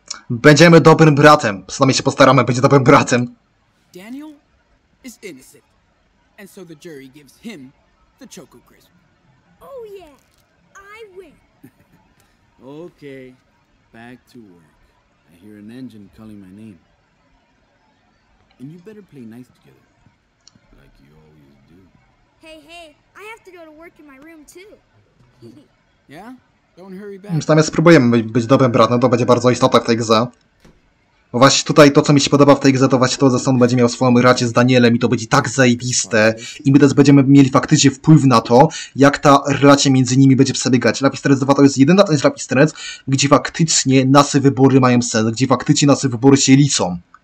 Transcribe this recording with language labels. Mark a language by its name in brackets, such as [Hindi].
[Polish] Będziemy dobrym bratem. Przynajmniej się postaramy, będzie dobrym bratem. [English] Daniel is innocent. And so the jury gives him the Choco Crisp. Oh yeah. I win. Okay. Back to work. I hear an engine calling my name. And you better play nice together. Like you always do. Hey, I have to go to work in my room too. Yeah? Don't hurry back. [Polish] Zamiast spróbujemy być dobrym bratem, to będzie bardzo istotne w tej grze. Bo właśnie tutaj to, co mi się podoba w tej grze, to właśnie to, że on będzie miał swoją rację z Danielem i to będzie tak zajebiste. I my też będziemy mieli faktycznie wpływ na to, jak ta relacja między nimi będzie przebiegać. Lapistrenc 2 to jest jedyna część Lapistrenc, gdzie faktycznie nasze wybory mają sens, gdzie faktycznie nasze wybory się liczą.